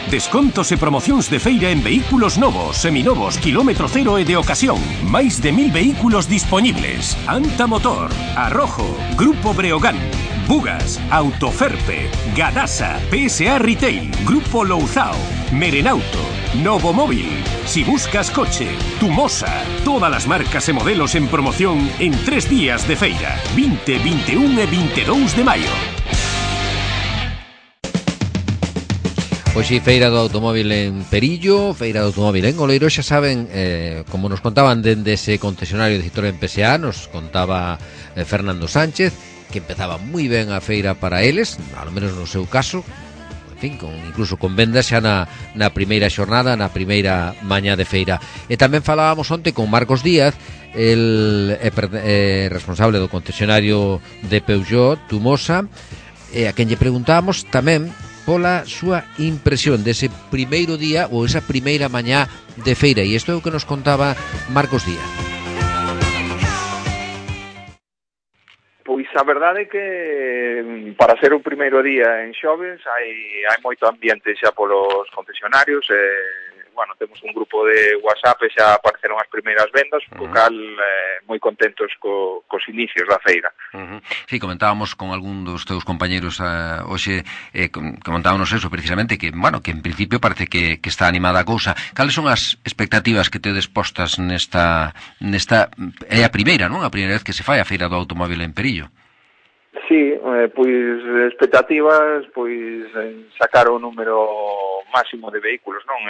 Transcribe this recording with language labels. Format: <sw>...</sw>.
<gl>Descontos e promocións de feira en vehículos novos, seminovos, quilómetro cero e de ocasión. Máis de 1000 vehículos disponibles. Anta Motor, Arrojo, Grupo Breogán, Bugas, Autoferpe, Gadasa, PSA Retail, Grupo Louzao, Merenauto, Novo Móvil.</gl> <es>Si buscas coche, Tumosa, todas las marcas y modelos en promoción en 3 días de feira, 20, 21 y 22 de mayo.</es> <gl>Pois sí, feira do automóvil en Perillo, feira do automóvil en Oleiros. Xa saben, como nos contaban dende ese concesionario de Citroën en PSA, nos contaba Fernando Sánchez, que empezaba moi ben a feira para eles, ao menos no seu caso, en fin, incluso con vendas xa na primeira xornada, na primeira mañá de feira. E tamén falábamos onte con Marcos Díaz, el responsable do concesionario de Peugeot, Tumosa, a quen lle preguntábamos tamén pola súa impresión dese primeiro día ou esa primeira mañá de feira. E isto é o que nos contaba Marcos Díaz. Pois a verdade é que para ser o primeiro día en xoves hai moito ambiente xa polos concesionarios. Bueno, temos un grupo de WhatsApp e xa apareceron as primeiras vendas, uh-huh, co cal moi contentos cos inicios da feira. Uh-huh. Sí, comentábamos con algún dos teus compañeros hoxe, comentábamos eso precisamente, que bueno, que en principio parece que está animada a cousa. Cales son as expectativas que tedes postas nesta é a primeira, non? A primeira vez que se fai a feira do automóvil en Perillo. Sí, pois expectativas, pois sacar o número máximo de vehículos, non?</gl>